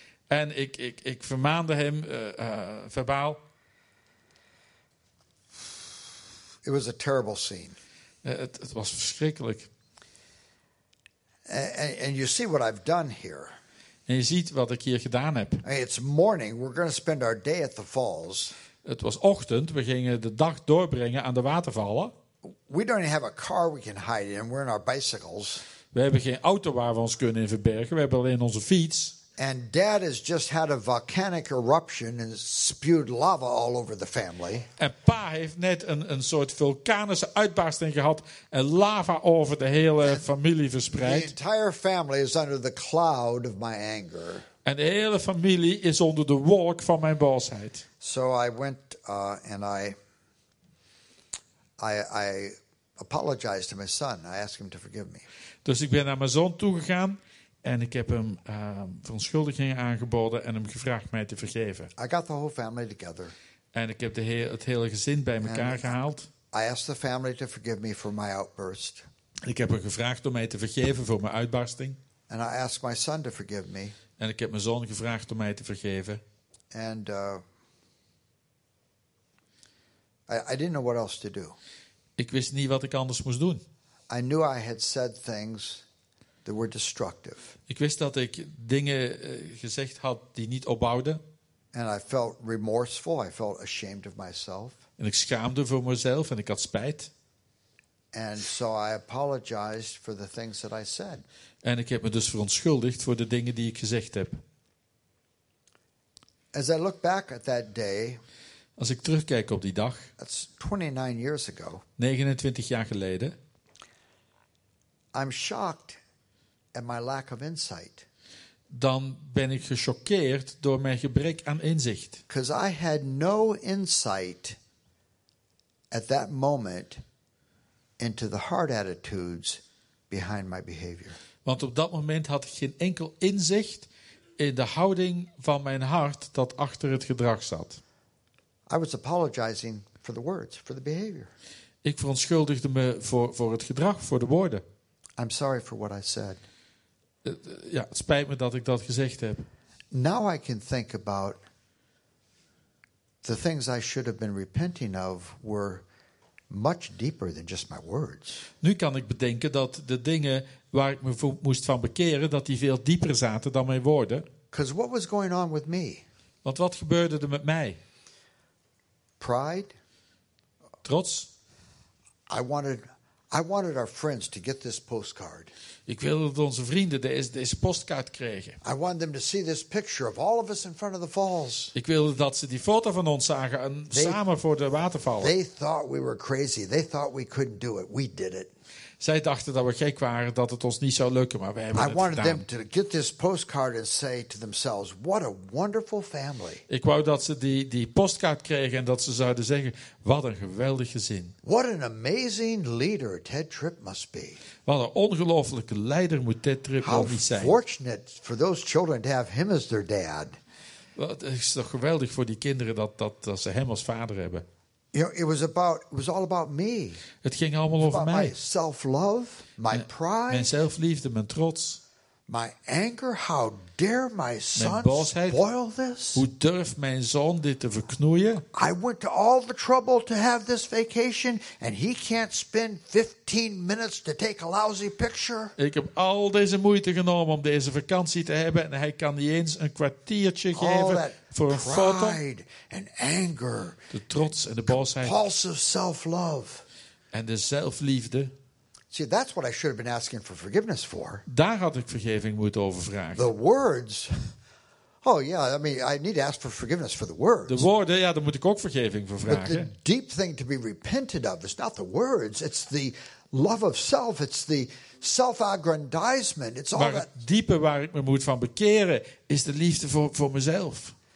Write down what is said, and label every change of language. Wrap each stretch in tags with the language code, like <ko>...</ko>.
<nl>En ik vermaande hem verbaal.</nl> <en>It was a terrible scene.</en> <nl>Het was verschrikkelijk.</nl> <en>And you see what I've done here.</en> <nl>En je ziet wat ik hier gedaan heb.</nl> <en>Hey, it's morning. We're going to spend our day at the falls.</en> <nl>Het was ochtend. We gingen de dag doorbrengen aan de watervallen.</nl> <en>We don't have a car we can hide in. We're in our bicycles.</en> <nl>We hebben geen auto waar we ons kunnen in verbergen. We hebben alleen onze fiets.</nl> <en>And Dad has just had a volcanic eruption and spewed lava all over the family.</en> <nl>En pa heeft net een soort vulkanische uitbarsting gehad en lava over de hele familie verspreid.</nl> <en>The entire family is under the cloud of my anger.</en> <nl>En de hele familie is onder de wolk van mijn boosheid.</nl> <en>So I went and I apologized to my son. I asked him to forgive me.</en> <nl>Dus ik ben naar mijn zoon toegegaan en ik heb hem verontschuldigingen aangeboden en hem gevraagd mij te vergeven.</nl> <en>I got the whole family together.</en> <nl>En ik heb het hele gezin bij elkaar gehaald.</nl> <en>I asked the family to forgive me for my outburst.</en> <nl>Ik heb hem gevraagd om mij te vergeven voor mijn uitbarsting.</nl> <en>And I asked my son to forgive me.</en> <nl>En ik heb mijn zoon gevraagd om mij te vergeven.</nl> <en>And I didn't know what else to do.</en> <nl>Ik wist niet wat ik anders moest doen.</nl> <en>I knew I had said things that were destructive.</en> <nl>Ik wist dat ik dingen gezegd had die niet opbouwden.</nl> <en>And I felt remorseful. I felt ashamed of myself.</en> <nl>En ik schaamde voor mezelf en ik had spijt.</nl> <en>And so I apologized for the things that I said.</en> <nl>En ik heb me dus verontschuldigd voor de dingen die ik gezegd heb.</nl> <en>As I look back at that day,</en> <nl>als ik terugkijk op die dag,</nl> <en>that's 29 years ago,</en> <nl>29 jaar geleden,</nl> <en>I'm shocked at my lack of insight.</en> <nl>Dan ben ik gechoqueerd door mijn gebrek aan inzicht.</nl> <en>Because I had no insight at that moment into the heart attitudes behind my behavior.</en> <nl>Want op dat moment had ik geen enkel inzicht in de houding van mijn hart dat achter het gedrag zat.</nl> <en>I was apologizing for the words, for the behavior.</en> <nl>Ik verontschuldigde me voor het gedrag, voor de woorden.</nl> <en>I'm sorry for what I said.</en> <nl>Ja, het spijt me dat ik dat gezegd heb.</nl> <en>Now I can think about the things I should have been repenting of were much deeper than just my words.</en> <nl>Nu kan ik bedenken dat de dingen waar ik me moest van bekeren, dat die veel dieper zaten dan mijn woorden.</nl> <en>Because what was going on with me?</en> <nl>Want wat gebeurde er met mij?</nl> <en>Pride.</en> <nl>Trots.</nl> <en>I wanted our friends to get this postcard.</en> <nl>Ik wilde dat onze vrienden deze postkaart kregen.</nl> <en>I want them to see this picture of all of us in front of the falls.</en> <nl>Ik wilde dat ze die foto van ons zagen en samen voor de watervallen.</nl> <en>They thought we were crazy. They thought we couldn't do it. We did it.</en> <nl>Zij dachten dat we gek waren, dat het ons niet zou lukken, maar wij hebben het gedaan.</nl> <en>I wanted them to get this postcard and say to themselves, what a wonderful family.</en> <nl>Ik wou dat ze die postcard kregen en dat ze zouden zeggen, wat een geweldig gezin.</nl> <en>What an amazing leader Ted Tripp must be.</en> <nl>Wat een ongelofelijke leider moet Ted Tripp wel niet zijn.</nl> <en>How fortunate for those children to have him as their dad.</en> <nl>Wat is toch geweldig voor die kinderen dat ze hem als vader hebben.</nl> <en>You know, it was all about me.</en> <nl>Het ging allemaal over mij.</nl> <en>My self-love, my pride.</en> <nl>Mijn zelfliefde, mijn trots.</nl> <en>My anger, how dare my son spoil this?</en> <nl>Hoe durft mijn zoon dit te verknoeien?</nl> <en>I went to all the trouble to have this vacation and he can't spend 15 minutes to take a lousy picture?</en> <nl>Ik heb al deze moeite genomen om deze vakantie te hebben en hij kan niet eens een kwartiertje geven voor een foto.</nl> <en>Pride and anger.</en> <nl>De trots en de boosheid.</nl> <en>Compulsive self-love.</en> <nl>En de zelfliefde.</nl> <en>See, that's what I should have been asking for forgiveness for.</en> <nl>Daar had ik vergeving moeten overvragen.</nl> <en>The words. Oh yeah, I mean, I need to ask for forgiveness for the words.</en> <nl>De woorden, ja, daar moet ik ook vergeving voor vragen.</nl> <en>But the deep thing to be repented of is not the words. It's the love of self. It's the self-aggrandizement. It's all</en> <nl>maar het diepe waar ik me moet van bekeren is de liefde voor mezelf.</nl>